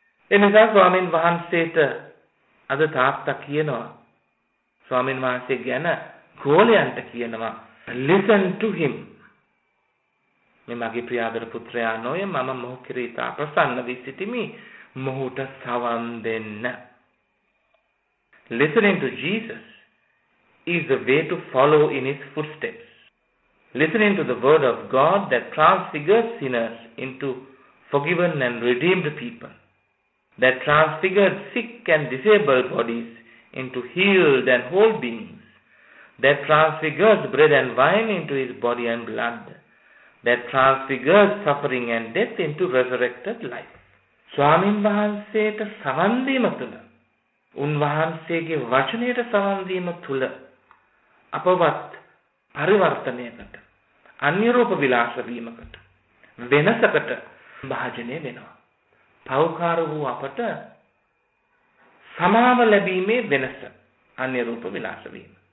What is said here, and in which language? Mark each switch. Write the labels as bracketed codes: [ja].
[si] එනිසා ස්වාමීන් වහන්සේට අද තාත්තා කියනවා, ස්වාමීන් වහන්සේ ගැන ගෝලයන්ට කියනවා, [en] listen to him. [si] මේ මගේ ප්‍රියාදර පුත්‍රයා නොය, මම මොහු කෙරෙහි තා ප්‍රසන්න වී සිටිමි, මොහුට සවන් දෙන්න. [en] Listening to Jesus is the way to follow in his footsteps. Listening to the word of God that transfigures sinners into forgiven and redeemed people, that transfigures sick and disabled bodies into healed and whole beings, that transfigures bread and wine into his body and blood, that transfigures suffering and death into resurrected life. [si] ස්වාමීන් වහන්සේට සවන් දීම තුළ, උන්වහන්සේගේ වචනයට සවන් දීම තුළ අපවත් පරිවර්තනයකට, අන්‍යරූප විලාස වීමකට, වෙනසකට භාජනය වෙනවා. පෞකාර වූ අපට සමාව ලැබීමේ වෙනස අන්‍යරූප විලාස වීම.